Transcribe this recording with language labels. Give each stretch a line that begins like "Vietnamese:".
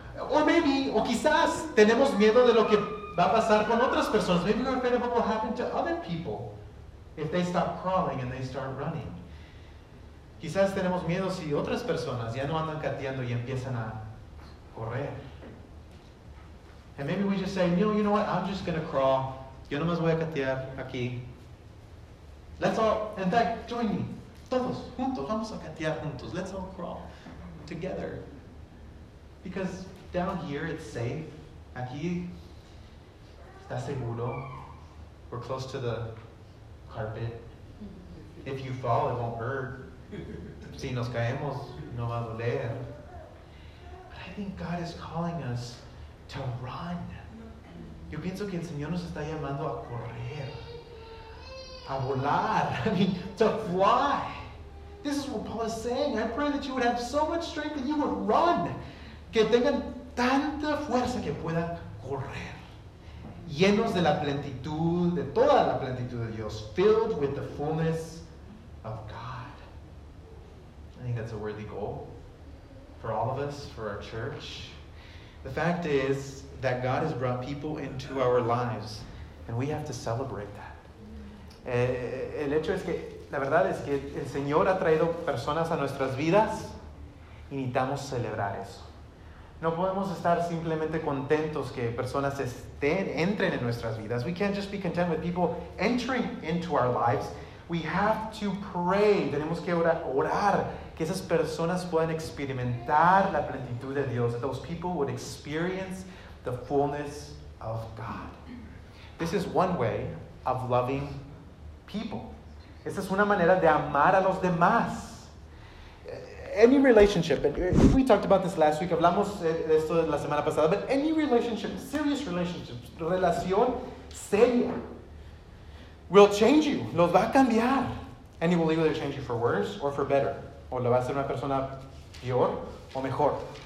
English: Or maybe,
Spanish: o quizás, tenemos miedo de lo que va a pasar con otras personas.
English: Maybe we're afraid of what will happen to other people if they stop crawling and they start running.
Spanish: Quizás tenemos miedo si otras personas ya no andan gateando y empiezan a correr.
English: And maybe we just say, you know what, I'm just going to crawl.
Spanish: Yo nomás voy a gatear aquí.
English: Let's all, in fact, join me.
Spanish: Todos, juntos, vamos a gatear juntos.
English: Let's all crawl together. Because down here it's safe.
Spanish: Aquí está seguro.
English: We're close to the carpet. If you fall, it won't hurt.
Spanish: Si nos caemos, no va a doler.
English: But I think God is calling us to run.
Spanish: Yo pienso que el Señor nos está llamando a correr. A volar.
English: I mean, to fly. This is what Paul is saying. I pray that you would have so much strength that you would run.
Spanish: Que tengan tanta fuerza que puedan correr. Llenos de la plenitud, de toda la plenitud de Dios.
English: Filled with the fullness of God. I think that's a worthy goal for all of us, for our church. The fact is that God has brought people into our lives, and we have to celebrate that.
Spanish: El hecho es que, la verdad es que el Señor ha traído personas a nuestras vidas y necesitamos celebrar eso. No podemos estar simplemente contentos que personas entren en nuestras vidas.
English: We can't just be content with people entering into our lives. We have to pray.
Spanish: Tenemos que orar que esas personas puedan experimentar la plenitud de Dios.
English: That those people would experience the fullness of God. This is one way of loving people.
Spanish: Esta es una manera de amar a los demás.
English: Any relationship, and we talked about this last week,
Spanish: hablamos de esto la semana pasada,
English: but any relationship, serious relationship,
Spanish: relación seria,
English: will change you,
Spanish: lo va a cambiar.
English: And it will either change you for worse or for better.
Spanish: O lo va a hacer una persona peor o mejor.